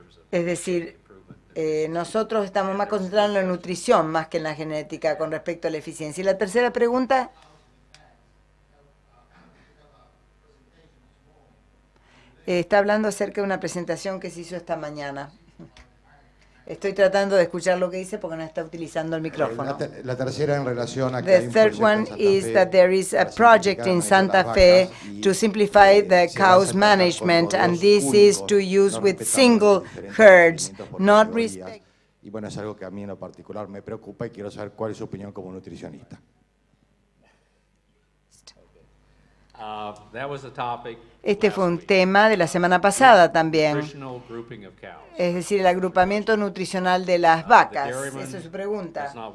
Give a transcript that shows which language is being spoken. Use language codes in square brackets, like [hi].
[es] Es decir, nosotros estamos más concentrados en la nutrición más que en la genética con respecto a la eficiencia. Y la tercera pregunta. Está hablando acerca de una presentación que se hizo esta mañana. Estoy tratando de escuchar lo que dice porque no está utilizando el micrófono. La tercera en relación a que [en] the third one is that there is a project in Santa Fe to simplify the cows management, and this is to use with single herds, not respect. [es] Y bueno, es algo que a mí en lo particular me preocupa y quiero saber cuál es su opinión como nutricionista. [en] That was the topic. [es] Este fue un tema de la semana pasada también, es decir, el agrupamiento nutricional de las vacas. Esa es su pregunta.